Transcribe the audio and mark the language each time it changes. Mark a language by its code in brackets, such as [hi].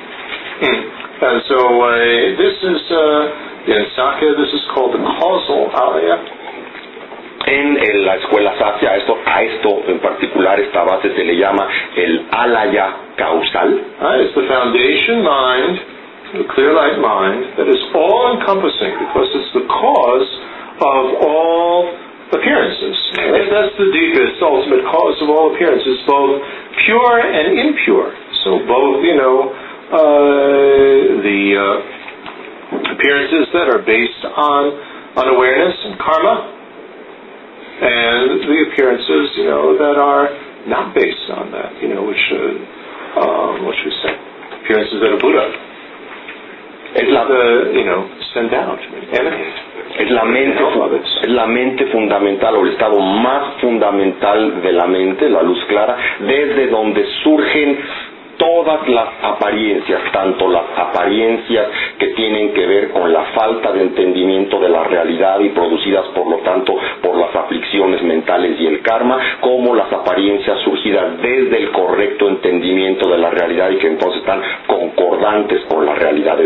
[en] And so this is in sakya, this is called the causal alaya. [es] En la escuela sakya a esto en particular, esta base se le llama el alaya causal. [en] It's the foundation mind, the clear light mind, that is all encompassing because it's the cause of all appearances. And that's the deepest, ultimate cause of all appearances, both pure and impure. So both, the appearances that are based on unawareness and karma, and the appearances, that are not based on that, which we say, appearances that a Buddha send out, emanate. [es] Es la mente fundamental o el estado más fundamental de la mente, la luz clara, desde donde surgen todas las apariencias, tanto las apariencias que tienen que ver con la falta de entendimiento de la realidad y producidas por lo tanto por las aflicciones mentales y el karma, como las apariencias surgidas desde el correcto entendimiento de la realidad y que entonces están concordantes con la realidad.